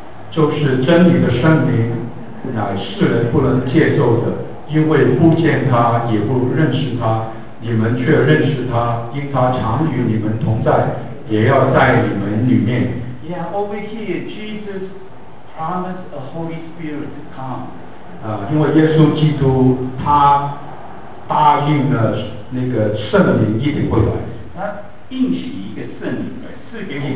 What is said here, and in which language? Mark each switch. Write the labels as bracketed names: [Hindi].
[Chinese] 就是真理的圣灵，乃世人不能接受的，因为不见他，也不认识他，你们却认识他，因他常与你们同在，也要在你们里面。 [English] Yeah, over here, Jesus promised a Holy Spirit to come. [Chinese] 因为耶稣基督他答应了那个圣灵一定会来，他应许一个圣灵来赐给我们，